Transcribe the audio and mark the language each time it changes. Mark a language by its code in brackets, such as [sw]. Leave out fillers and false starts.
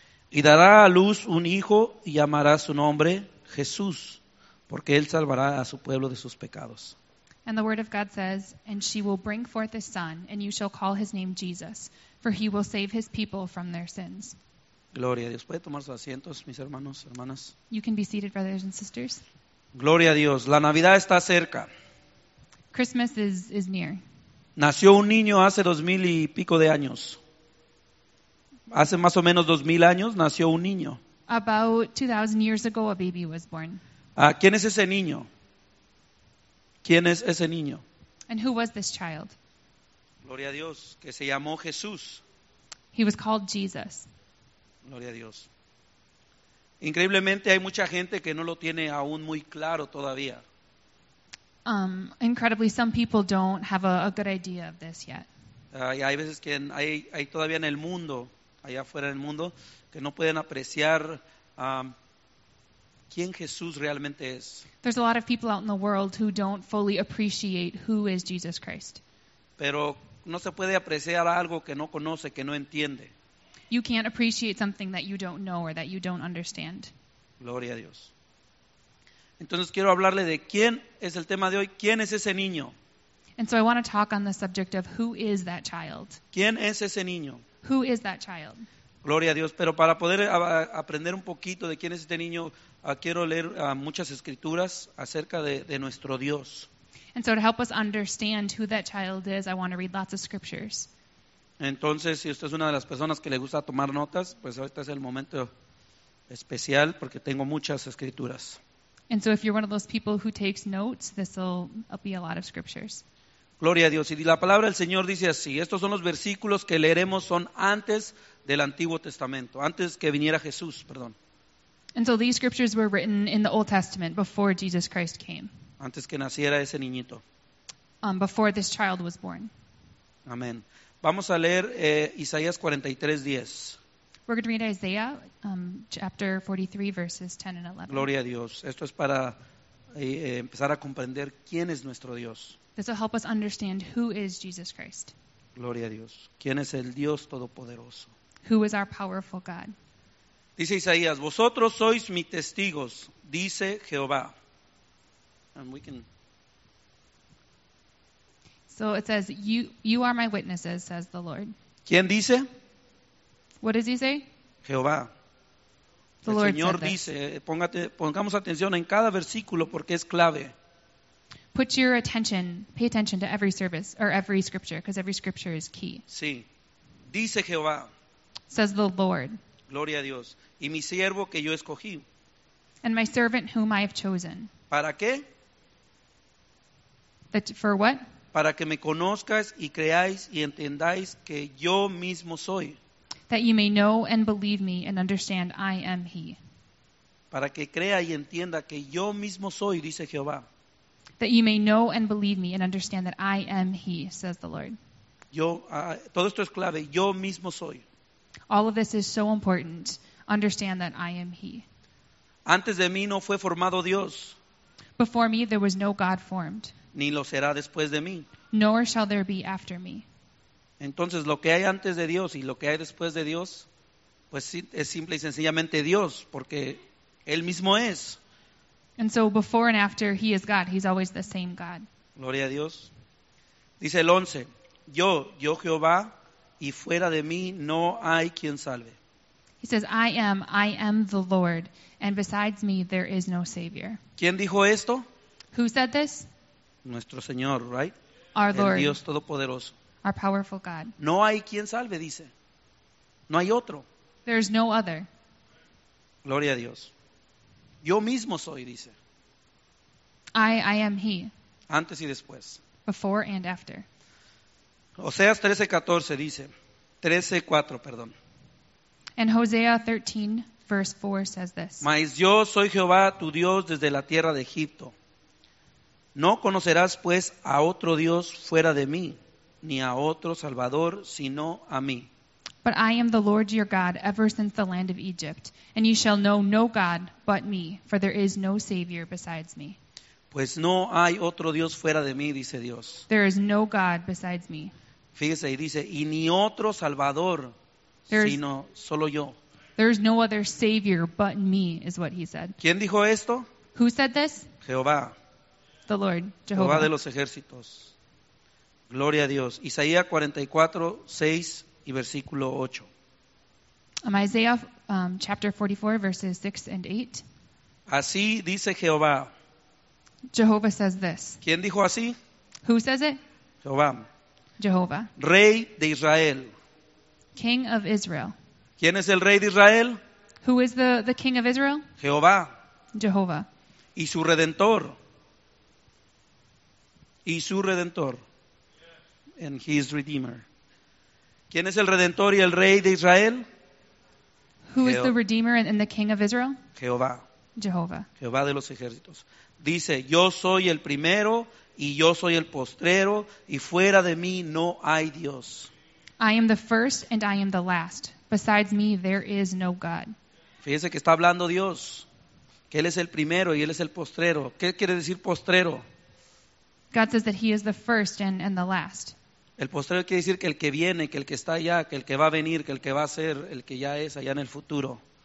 [es] Y dará a luz un hijo y llamará su nombre Jesús, porque él salvará a su pueblo de sus pecados. [en] And the word of God says, and she will bring forth a son, and you shall call his name Jesus, for he will save his people from their sins. [es] Gloria a Dios. ¿Puede tomar sus asientos, mis hermanos, hermanas? [en] You can be seated, brothers and sisters. [es] Gloria a Dios. La Navidad está cerca. [en] Christmas is near. [es] Nació un niño hace 2,000 y pico de años. Hace más o menos 2,000 años nació un niño. [en] About 2,000 years ago, a baby was born. [es] ¿Quién es ese niño? ¿Quién es ese niño? [en] And who was this child? [es] Gloria a Dios, que se llamó Jesús. [en] He was called Jesus. [es] Gloria a Dios. Increíblemente, hay mucha gente que no lo tiene aún muy claro todavía. [en] Incredibly, some people don't have a good idea of this yet. [es] Hay veces que hay todavía en el mundo, allá afuera en el mundo, que no pueden apreciar quién Jesús realmente es. [en] There's a lot of people out in the world who don't fully appreciate who is Jesus Christ. [es] Pero no se puede apreciar algo que no conoce, que no entiende. [en] You can't appreciate something that you don't know or that you don't understand. [es] Gloria a Dios. Entonces quiero hablarle de quién es el tema de hoy. ¿Quién es ese niño? [en] And so I want to talk on the subject of who is that child. [es] ¿Quién es ese niño? [en] Who is that child? [es] Gloria a Dios. Pero para poder aprender un poquito de quién es este niño, quiero leer muchas escrituras acerca de nuestro Dios. [en] And so to help us understand who that child is, I want to read lots of scriptures. [es] Entonces, si usted es una de las personas que le gusta tomar notas, pues ahorita es el momento especial porque tengo muchas escrituras. [en] And so if you're one of those people who takes notes, this will be a lot of scriptures. [es] Gloria a Dios. Y la palabra del Señor dice así. Estos son los versículos que leeremos, son antes del Antiguo Testamento, antes que viniera Jesús, perdón. [en] And so these scriptures were written in the Old Testament before Jesus Christ came. [es] Antes que naciera ese niñito. [en] Before this child was born. [es] Amén. Vamos a leer Isaías 43:10. [en] We're going to read Isaiah chapter 43, verses 10 and 11. [es] Gloria a Dios. Esto es para empezar a comprender quién es nuestro Dios. [en] This will help us understand who is Jesus Christ. [es] Gloria a Dios. ¿Quién es el Dios Todopoderoso? [en] who is our powerful God. [es] Dice Isaías, vosotros sois mis testigos, dice Jehová. [en] And we can... So it says, you are my witnesses, says the Lord. [es] ¿Quién dice? [en] What does he say? [es] Jehová. [en] The [es] El [en] Lord [es] Señor dice, pongamos atención en cada versículo porque es clave. [en] Put your attention, pay attention to every service or every scripture, because every scripture is key. [es] Sí. Dice Jehová. [en] Says the Lord. [es] Gloria a Dios. Y mi siervo que yo escogí. [en] And my servant whom I have chosen. [es] ¿Para qué? [en] For what? [es] Para que me conozcas y creáis y entendáis que yo mismo soy. [en] That you may know and believe me and understand I am he. [es] Para que crea y entienda que yo mismo soy, dice Jehová. [en] That you may know and believe me and understand that I am he, says the Lord. [es] Todo esto es clave. Yo mismo soy. [en] All of this is so important. Understand that I am he. [es] Antes de mí no fue formado Dios. [en] Before me there was no God formed. [es] Ni lo será después de mí. [en] Nor shall there be after me. [es] Entonces, lo que hay antes de Dios y lo que hay después de Dios, pues es simple y sencillamente Dios, porque Él mismo es. [en] And so, before and after, He is God. He's always the same God. [es] Gloria a Dios. Dice el 11, yo Jehová, y fuera de mí no hay quien salve. [en] He says, I am the Lord, and besides me there is no Savior. [es] ¿Quién dijo esto? [en] Who said this? [es] Nuestro Señor, right? [en] Our [es] el [en] Lord. [es] El Dios Todopoderoso. [en] Our powerful God. [es] No hay quien salve, dice. No hay otro. [en] There is no other. [es] Gloria a Dios. Yo mismo soy, dice. [en] I am he. [es] Antes y después. [en] Before and after. [es] Oseas 13:14 dice. 13:4, perdón. [en] And Hosea 13, verse 4 says this. [es] Mas yo soy Jehová, tu Dios, desde la tierra de Egipto. No conocerás, pues, a otro Dios fuera de mí. Ni a otro salvador, sino a mí. [en] But I am the Lord your God ever since the land of Egypt, and you shall know no God but me, for there is no Savior besides me. [es] Pues no hay otro Dios fuera de mí, dice Dios. [en] There is no God besides me. [es] Fíjese, y dice, y ni otro salvador, sino solo yo. [en] There is no other Savior but me, is what he said. [es] ¿Quién dijo esto? [en] Who said this? [es] Jehová. [en] The Lord, Jehovah. [es] Jehová de los ejércitos. Gloria a Dios. Isaías 44, 6 y versículo 8. [en] Isaiah chapter 44, verses 6 and 8. [es] Así dice Jehová. [en] Jehovah says this. [es] ¿Quién dijo así? [en] Who says it? [es] Jehová. [en] Jehovah. [es] Rey de Israel. [en] King of Israel. [es] ¿Quién es el rey de Israel? [en] Who is the king of Israel? [es] Jehová. [en] Jehovah. [es] Y su redentor. Y su redentor. [en] And his redeemer. [es] ¿Quién es el redentor y el rey de Israel? [en] Who is the redeemer and the king of Israel? [es] Jehová. [en] Jehovah. [es] Jehová de los ejércitos. Dice, yo soy el primero y yo soy el postrero y fuera de mí no hay Dios. [en] I am the first and I am the last. Besides me there is no God. [es] Fíjese que está hablando Dios. Que Él es el primero y Él es el postrero. ¿Qué quiere decir postrero? [en] God says that he is the first and the last. [es] El postrero quiere decir que el que viene, que el que está allá, que el que va a venir, que el que va a ser, el que ya es allá en el futuro.